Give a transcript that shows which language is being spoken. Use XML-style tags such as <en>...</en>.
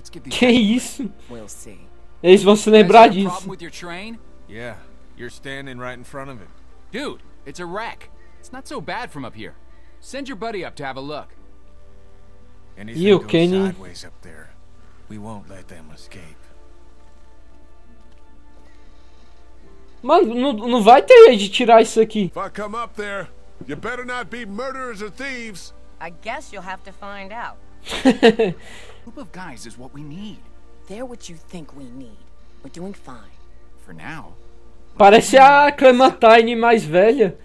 <pt>Que isso? Eles vão se lembrar disso.</pt> <en>Yeah, you're standing right in front of it. Dude, it's a wreck. It's not so bad from up here. Send your buddy up to have a look. Anything goes sideways up there, we won't let them escape.</en> <pt>Mano, não vai ter jeito de tirar isso aqui.</pt> <en>If I come up there, you better not be murderers or thieves. I guess you'll have to find out. Group of guys is what we need. They're what you think we need. We're doing fine. For now.</en> <pt>Parece a Clementine mais velha.</pt>